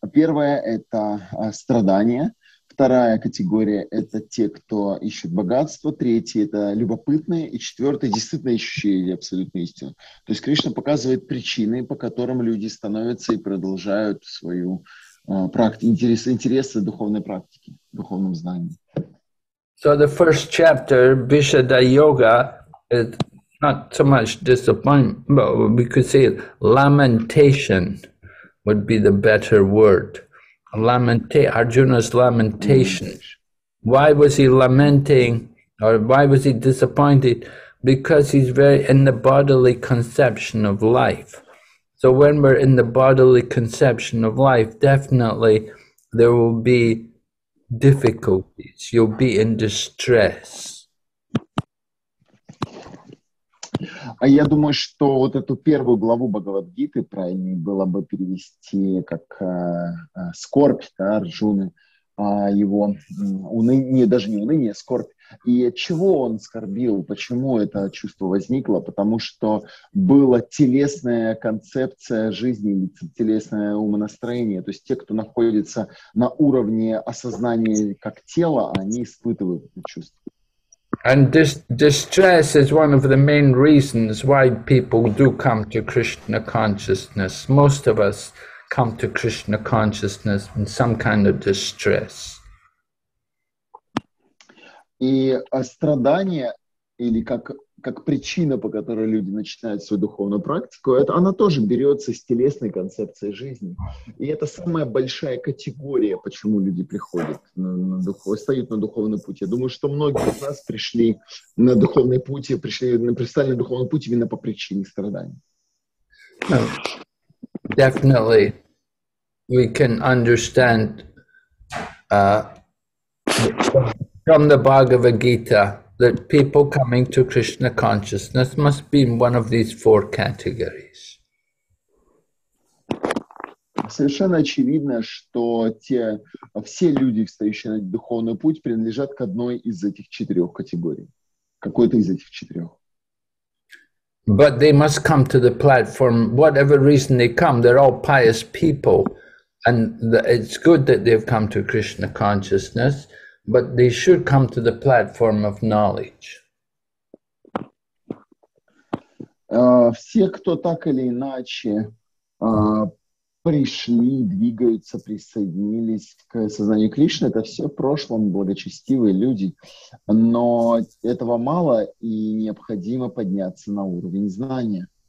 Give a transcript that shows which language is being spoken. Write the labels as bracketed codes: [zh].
[ru] Первое – это страдания. Вторая категория – это те, кто ищет богатство. Третье – это любопытные. И четвертое – действительно ищущие абсолютную истину. То есть Кришна показывает причины, по которым люди становятся и продолжают свою интересы духовной практики, духовном знании. [en] So the first chapter, Vishuddha Yoga, is not so much disappointment, but we could say lamentation would be the better word. Arjuna's lamentation. Why was he lamenting, or why was he disappointed? Because he's very in the bodily conception of life. So when we're in the bodily conception of life, definitely there will be difficulties. You'll be in distress. [ru] Я думаю, что вот эту первую главу Бхагавад-гиты правильнее было бы перевести как скорбь, да, Арджуны, его уныние, даже не уныние, скорбь. И от чего он скорбил, почему это чувство возникло? Потому что была телесная концепция жизни, телесное умонастроение. То есть те, кто находится на уровне осознания как тела, они испытывают это чувство. [en] And this distress is one of the main reasons why people do come to Krishna consciousness. Most of us come to Krishna consciousness in some kind of distress. [ru] И страдания, или как причина, по которой люди начинают свою духовную практику, это она тоже берется с телесной концепции жизни. И это самая большая категория, почему люди приходят встают на духовный путь. Я думаю, что многие из нас пришли на духовный путь, пришли на духовный путь именно по причине страданий. [en] definitely we can understand from the Bhagavad Gita that people coming to Krishna consciousness must be in one of these four categories. [ru] Совершенно очевидно, что те все люди, встающие на духовный путь, принадлежат к одной из этих четырех категорий. Какой-то из этих четырех. [en] But they must come to the platform, whatever reason they come, they're all pious people. And it's good that they've come to Krishna consciousness, but they should come to the platform of knowledge. [ru] Все, кто так или иначе пришли, двигаются, присоединились к сознанию Кришны, это все в прошлом благочестивые люди, но этого мало, и необходимо подняться на уровень знания.